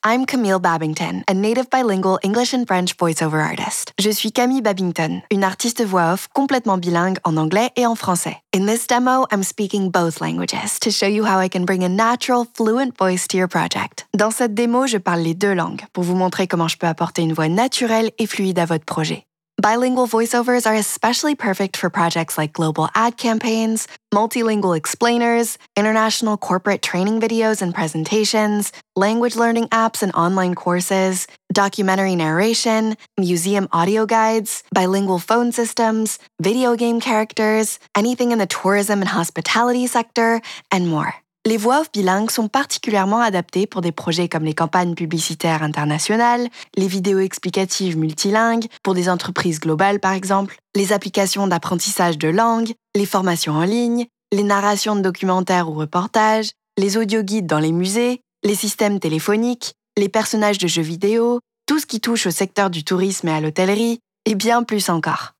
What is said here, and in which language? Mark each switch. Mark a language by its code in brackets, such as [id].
[en] I'm Camille Babington, a native bilingual English and French voiceover artist. [fr] Je suis Camille Babington, une artiste voix off complètement bilingue en anglais et en français. [en] In this demo, I'm speaking both languages to show you how I can bring a natural, fluent voice to your project. [fr] Dans cette démo, je parle les deux langues pour vous montrer comment je peux apporter une voix naturelle et fluide à votre projet. [en] Bilingual voiceovers are especially perfect for projects like global ad campaigns, multilingual explainers, international corporate training videos and presentations, language learning apps and online courses, documentary narration, museum audio guides, bilingual phone systems, video game characters, anything in the tourism and hospitality sector, and more. [fr] Les voix off bilingues sont particulièrement adaptées pour des projets comme les campagnes publicitaires internationales, les vidéos explicatives multilingues, pour des entreprises globales par exemple, les applications d'apprentissage de langues, les formations en ligne, les narrations de documentaires ou reportages, les audioguides dans les musées, les systèmes téléphoniques, les personnages de jeux vidéo, tout ce qui touche au secteur du tourisme et à l'hôtellerie, et bien plus encore.